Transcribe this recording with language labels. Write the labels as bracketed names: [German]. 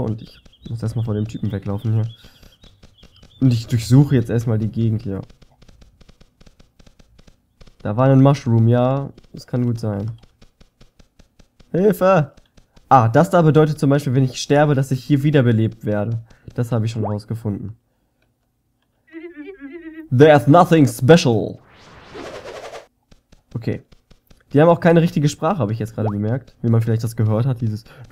[German] Und ich muss erstmal vor dem Typen weglaufen hier. Und ich durchsuche jetzt erstmal die Gegend hier. Da war ein Mushroom, ja. Das kann gut sein. Hilfe! Ah, das da bedeutet zum Beispiel, wenn ich sterbe, dass ich hier wiederbelebt werde. Das habe ich schon rausgefunden. [English] There's nothing special! Okay. [German] Die haben auch keine richtige Sprache, habe ich jetzt gerade bemerkt. Wie man vielleicht das gehört hat, dieses...